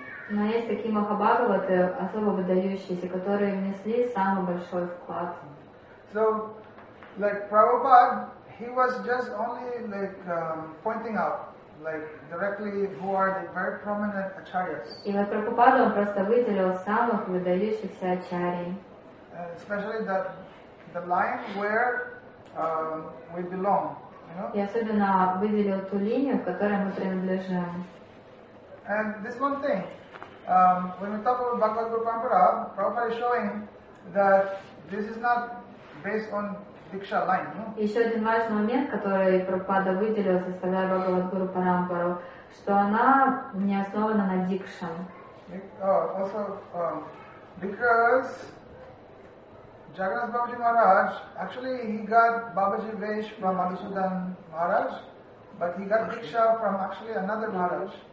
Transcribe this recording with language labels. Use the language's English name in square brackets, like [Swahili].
[Russian] Но есть такие Махабхагаваты, особо выдающиеся, которые внесли самый большой вклад. [English] So, like Prabhupada, he was just only like pointing out. Like directly, who are the very prominent acharyas? [Russian] И вот Прабхупада он просто выделил самых выдающихся ачарий. [English] Especially the line where we belong, you know. [Russian] И особенно выделил ту линию, в которой мы принадлежим. [English] And this one thing, when we talk about Bhagavad Guru Parampara, Prabhupada is showing that this is not based on. [Russian] Еще один важный момент, который Прабхупада выделил, составляя Бхагавадгуру Парампару, что она не основана на дикшан. [English] Also, because Jagannath Babaji Maharaj, actually he got Babaji Vesh from Madhusudan Maharaj, but he got Diksha from actually another Maharaj.